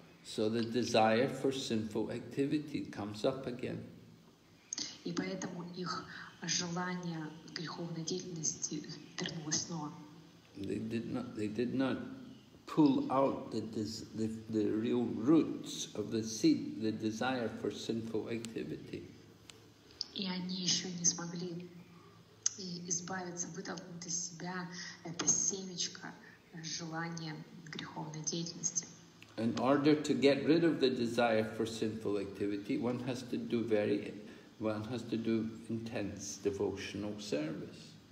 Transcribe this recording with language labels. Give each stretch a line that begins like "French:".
English: So the desire for sinful activity comes up again.
Russian: И поэтому их желание греховной деятельности вернулось снова.
English: They did not pull out the real roots of the seed, the desire for sinful activity.
Russian: И они еще не смогли избавиться, вытолкнуть из себя это семечко желания греховной деятельности.
English: In order to get rid of the desire for sinful activity, one has to do intense devotional service.